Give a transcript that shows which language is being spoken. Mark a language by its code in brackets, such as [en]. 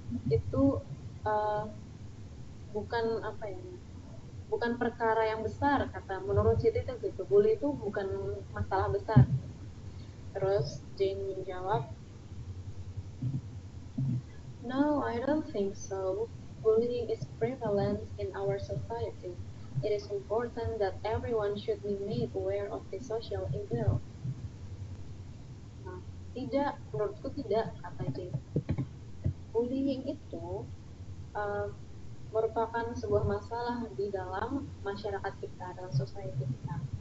[id] itu bukan apa ya, bukan perkara yang besar, kata menurut Siti itu gitu. Bully itu bukan masalah besar. Terus Jane menjawab, [en] "No, I don't think so. Bullying is prevalent in our society. It is important that everyone should be made aware of the social ill." [id] Nah, tidak, menurutku tidak, kata Jane. Bullying itu merupakan sebuah masalah di dalam masyarakat kita, dalam society kita.